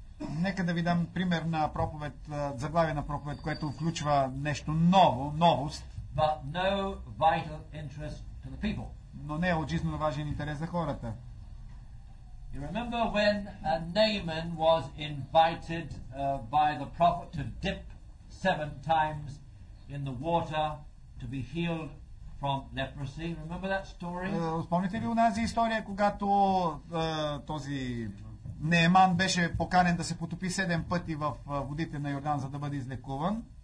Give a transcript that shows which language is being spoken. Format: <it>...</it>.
<bg>Нека да ви дам пример на проповед, заглавие на проповед, което включва нещо ново, новост.</bg> <en>But no vital interest to the people.</en> <bg>Но не е от жизнено важен интерес за хората.</bg> <en>You remember when a Naaman was invited by the prophet to dip 7 times in the water to be healed from leprosy? Remember that story?</en> <bg>Спомните ли онази история, когато този Нееман беше поканен да се потопи 7 пъти в водите на Йордан, за да бъде излекуван?</bg>